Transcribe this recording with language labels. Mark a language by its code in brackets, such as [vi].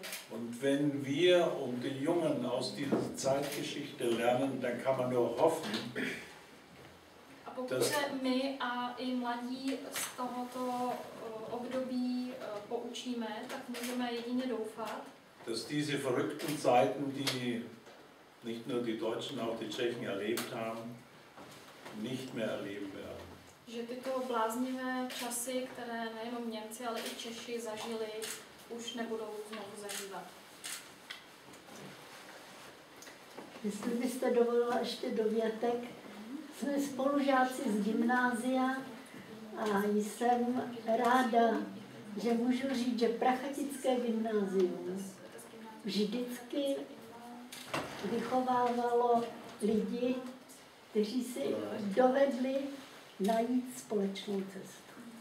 [de] Und wenn wir und die Jungen aus dieser Zeitgeschichte lernen, dann kann man nur hoffen, [cs] pokud se my a i mladí z tohoto období poučíme, tak můžeme jedině doufat, [de] dass diese verrückten Zeiten, die nicht nur die Deutschen, auch die Tschechen erlebt haben, nicht mehr erleben werden. [cs] Že tyto bláznivé časy, které nejenom Němci, ale i Češi zažili, už nebudou znovu zažívat. Jestli byste dovolila ještě dovětek, jsme spolužáci z gymnázia a jsem ráda, že můžu říct, že Prachatické gymnázium vždycky vychovávalo lidi, kteří si dovedli najít společnou cestu.